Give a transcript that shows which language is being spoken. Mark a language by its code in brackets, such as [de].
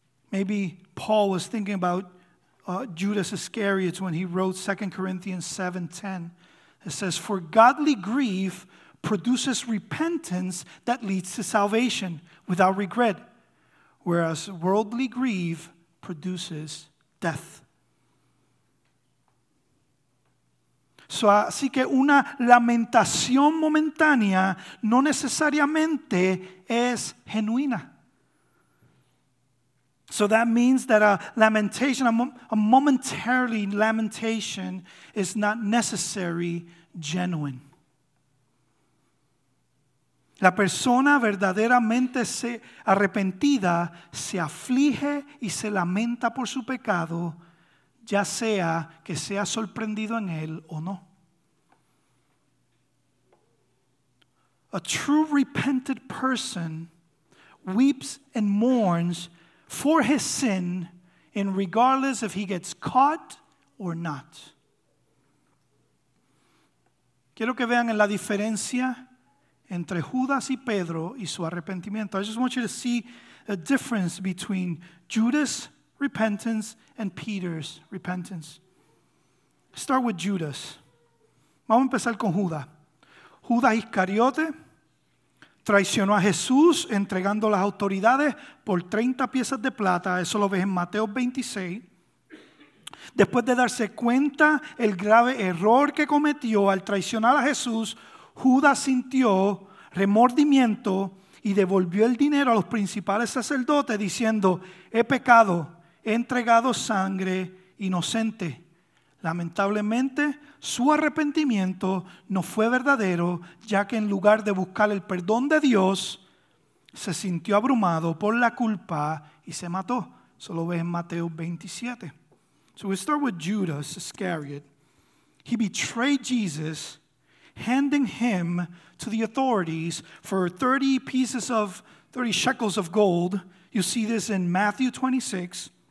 [en] Maybe Paul was thinking about Judas Iscariot when he wrote 2 Corinthians 7:10. It says, for godly grief produces repentance that leads to salvation without regret, whereas worldly grief produces death. [es] So, así que una lamentación momentánea no necesariamente es genuina. [en] So that means that a momentary lamentation is not necessarily genuine. [es] La persona verdaderamente arrepentida se aflige y se lamenta por su pecado, ya sea que sea sorprendido en él o no. [en] A true repented person weeps and mourns for his sin, in regardless if he gets caught or not. [es] Quiero que vean la diferencia entre Judas y Pedro y su arrepentimiento. [en] I just want you to see the difference between Judas' repentance and Peter's repentance. Start with Judas. [es] Vamos a empezar con Judas. Judas Iscariote traicionó a Jesús entregando las autoridades por 30 piezas de plata. Eso lo ves en Mateo 26. Después de darse cuenta el grave error que cometió al traicionar a Jesús, Judas sintió remordimiento y devolvió el dinero a los principales sacerdotes diciendo, he pecado, he entregado sangre inocente. Lamentablemente, su arrepentimiento no fue verdadero, ya que en lugar de buscar el perdón de Dios, se sintió abrumado por la culpa y se mató. Eso lo ves en Mateo 27. [en] So we start with Judas Iscariot. He betrayed Jesus handing him to the authorities for 30 shekels of gold. You see this in Matthew 26.